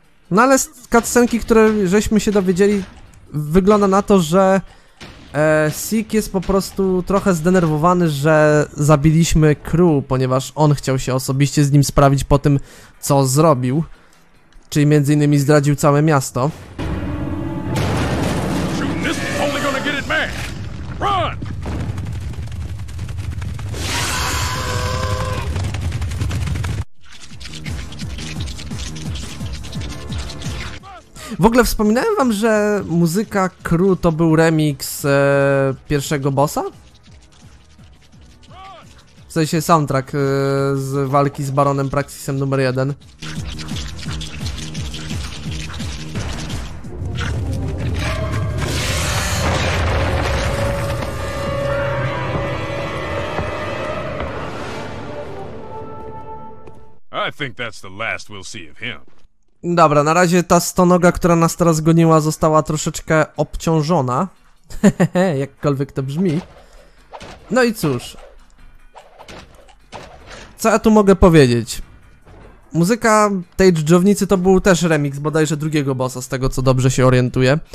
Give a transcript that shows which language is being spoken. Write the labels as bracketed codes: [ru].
[pl] No ale z cutscenki, które żeśmy się dowiedzieli, wygląda na to, że Sig jest po prostu trochę zdenerwowany, że zabiliśmy Crew, ponieważ on chciał się osobiście z nim sprawić po tym, co zrobił. Czyli między innymi zdradził całe miasto. [en] Shooting this is only gonna get it mad. Run! [pl] W ogóle wspominałem wam, że muzyka Crew to był remix pierwszego bossa? W sensie soundtrack z walki z Baronem Praxisem numer 1. [en] I think that's the last we'll see of him. [pl] Dobra, na razie ta stonoga, która nas teraz goniła, została troszeczkę obciążona. Hehehe, jakkolwiek to brzmi. No i cóż. Co ja tu mogę powiedzieć? Muzyka tej dżdżownicy to był też remix bodajże drugiego bossa, z tego co dobrze się orientuję.